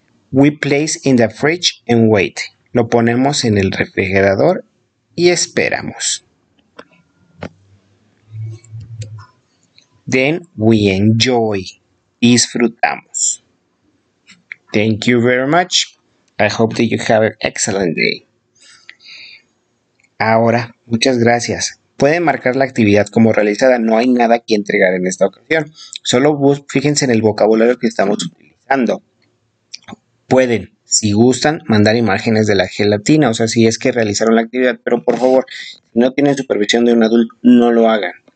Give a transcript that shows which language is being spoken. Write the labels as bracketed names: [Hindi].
[English] We place in the fridge and wait. [Spanish] Lo ponemos en el refrigerador y esperamos. [English] Then we enjoy. [Spanish] Disfrutamos. [English] Thank you very much. I hope that you have an excellent day. [Spanish] Ahora, muchas gracias. Pueden marcar la actividad como realizada. No hay nada que entregar en esta ocasión. Solo fíjense en el vocabulario que estamos utilizando. Pueden, si gustan, mandar imágenes de la gelatina. O sea, si es que realizaron la actividad. Pero por favor, si no tienen supervisión de un adulto, no lo hagan.